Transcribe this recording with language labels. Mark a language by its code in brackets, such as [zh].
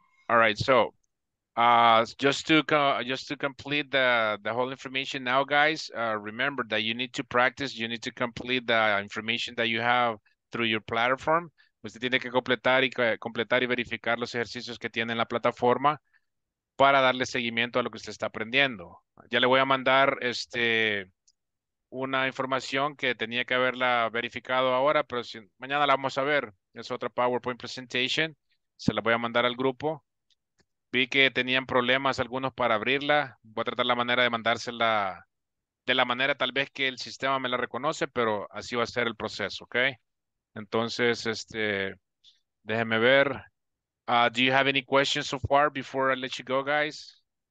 [en] All right, so just to complete the whole information now, guys, remember that you need to practice, you need to complete the information that you have through your platform. [es] Usted tiene que completar y verificar los ejercicios que tiene en la plataforma para darle seguimiento a lo que usted está aprendiendo. Ya le voy a mandar una información que tenía que haberla verificado ahora, pero si, mañana la vamos a ver. Es otra PowerPoint presentation. Se la voy a mandar al grupo. Vi que tenían problemas algunos para abrirla. Voy a tratar la manera de mandársela de la manera tal vez que el sistema me la reconoce, pero así va a ser el proceso, ¿ok? Entonces, déjeme ver. [en] Do you have any questions so far before I let you go, guys?